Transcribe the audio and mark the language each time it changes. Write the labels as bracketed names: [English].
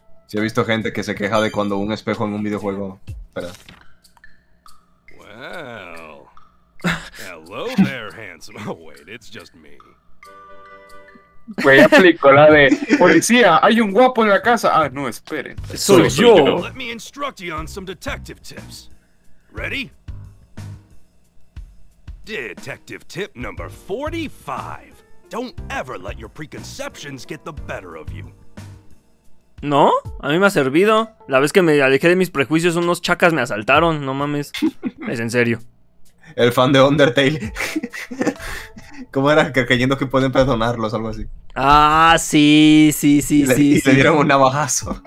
[Spanish] Sí, he visto gente que se queja de cuando un espejo en un videojuego... Espera. [English] Hello there, handsome. Oh, wait, it's just me. [Spanish] Güey, aplicó la de policía, hay un guapo en la casa. Ah, no, esperen. Soy yo. [English] Let me instruct you on some detective tips. Ready? Detective tip number 45. Don't ever let your preconceptions get the better of you. [Spanish] No, a mí me ha servido. La vez que me alejé de mis prejuicios, unos chacas me asaltaron. No mames. Es en serio. El fan de Undertale. ¿Cómo era? Creyendo que pueden perdonarlos, algo así. Ah, sí, sí, sí, y le, sí. Y sí. Le dieron un navajazo.